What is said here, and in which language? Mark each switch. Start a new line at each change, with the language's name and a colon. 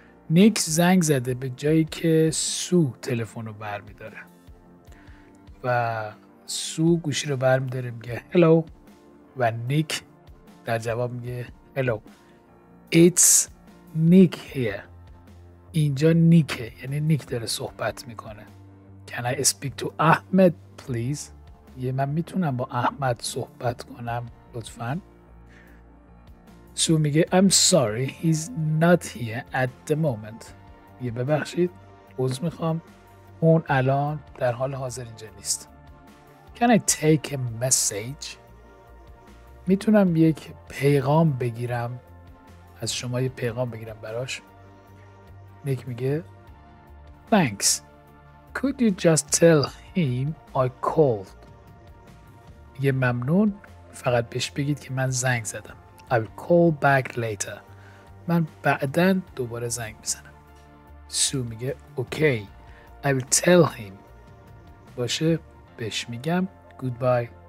Persian: نیک زنگ زده به جایی که سو تلفن رو برمیداره و سو گوشی رو برمیداره میگه هلو و نیک در جواب میگه هلو.
English: It's Nick here.
Persian: اینجا نیکه، یعنی نیک داره صحبت میکنه.
English: Can I speak to Ahmed please؟
Persian: یه من میتونم با احمد صحبت کنم لطفا. سو میگه
English: I'm sorry he's not here at the moment.
Persian: یه ببخشید عذر میخوام، اون الان در حال حاضر اینجا نیست.
English: Can I take a message؟
Persian: میتونم یک پیغام بگیرم از شما، یه پیغام بگیرم براش. نیک میگه
English: Thanks could you just tell him I called.
Persian: یه ممنون، فقط بهش بگید که من زنگ زدم.
English: I will call back later.
Persian: من بعداً دوباره زنگ میزنم. سو میگه اوکی.
English: I will tell him.
Persian: باشه، بهش میگم. Goodbye.